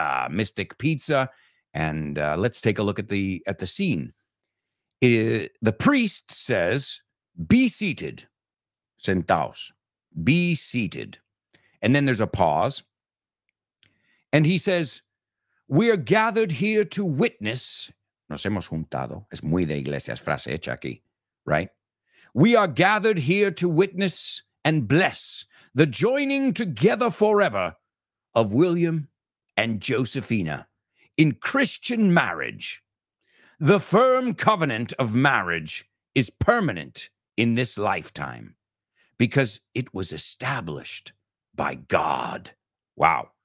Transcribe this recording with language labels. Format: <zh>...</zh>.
<en>Mystic Pizza. And let's take a look at the scene. The priest says, be seated.</en> <es>Sentaos.</es> <en>Be seated. And then there's a pause. And he says, we are gathered here to witness.</en> <es>Nos hemos juntado. Es muy de iglesias frase hecha aquí, right?</es> <en>We are gathered here to witness and bless the joining together forever of William and Josephina in Christian marriage. The firm covenant of marriage is permanent in this lifetime because it was established by God. Wow.</en>